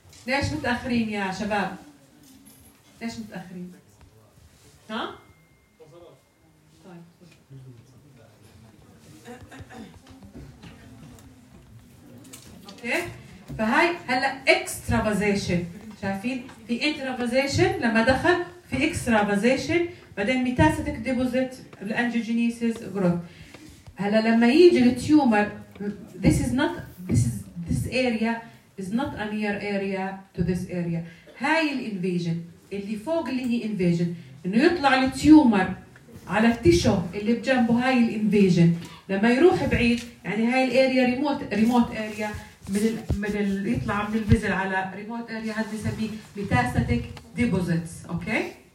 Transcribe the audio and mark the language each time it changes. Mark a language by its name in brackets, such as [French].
[Arabic] ليش متاخرين يا شباب؟ ليش متاخرين؟ ها؟ فهاي هلا اكسترافازيشن. شايفين في انترافازيشن لما دخل، في اكسترافازيشن بعدين ميتاستاتيك ديبوزيت الانجيوجينيسيس جروث. هلا لما يجي التيومر، [English] this is not this area is not a near area to this area. [Arabic] هاي الانفيجن اللي فوق اللي هي انفيجن، انه يطلع التيومر على التيشو اللي بجنبه، هاي الانفيجن. لما يروح بعيد يعني هاي الاريا ريموت اريا من يطلع من الفيزل على ريموت اريا، هذا بنسميه ميتاستاتيك ديبوزيتس، اوكي.